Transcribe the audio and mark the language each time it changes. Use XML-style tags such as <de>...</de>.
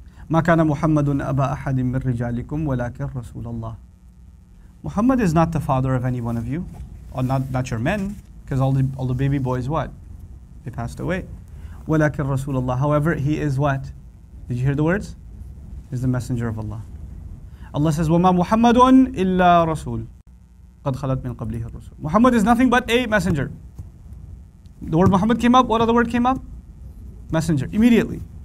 <ar>مَكَانَ مُحَمَّدٌ أَبَا أَحَدٍ مِّن رِجَالِكُمْ وَلَكِنْ رَسُولَ اللَّهِ</ar> <en>Muhammad is not the father of any one of you, or not your men, because all the baby boys, what? They passed away.</en> <ar>وَلَكِنْ رَسُولَ اللَّهِ</ar> <en>However, he is what? Did you hear the words? He's the messenger of Allah. Allah says,</en> <ar>وَمَا مُحَمَّدٌ إِلَّا رَسُولٌ قَدْ خَلَتْ مِنْ قَبْلِهِ الرَّسُولُ</ar> <en>Muhammad is nothing but a messenger. The word Muhammad came up, what other word came up? Messenger, immediately.</en>